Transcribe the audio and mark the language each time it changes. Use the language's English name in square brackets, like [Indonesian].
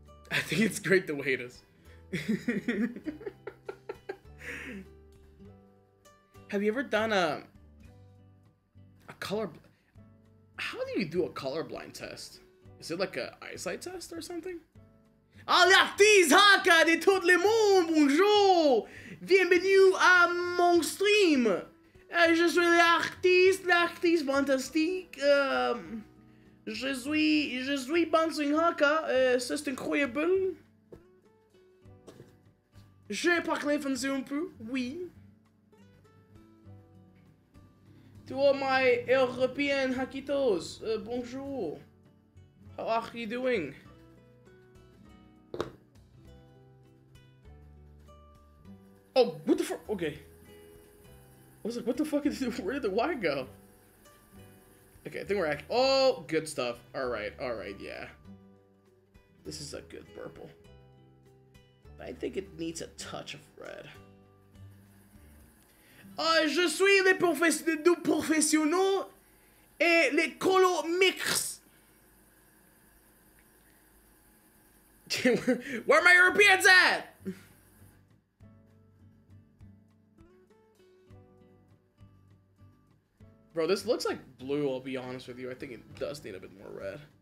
[English] I think it's great the way it is. Have you ever done a color? How do you do a colorblind test? Is it like a eyesight test or something? [French] Alertise Hakka de tout le monde, bonjour! Bienvenue à mon stream! Je suis l'artiste fantastique. Je suis Banzoin Hakka, c'est incroyable. Je parle français un peu, oui. [English] To all my European Hakkitos, bonjour. How are you doing? Oh, what the fuck? Okay. I was like, what the fuck is this? Where did the wire go? Okay, I think we're oh, good stuff. All right, yeah. This is a good purple. But I think it needs a touch of red. [French] Je suis le professionnel et le [English] color mix. Where are my Europeans at? Bro, this looks like blue, I'll be honest with you. I think it does need a bit more red.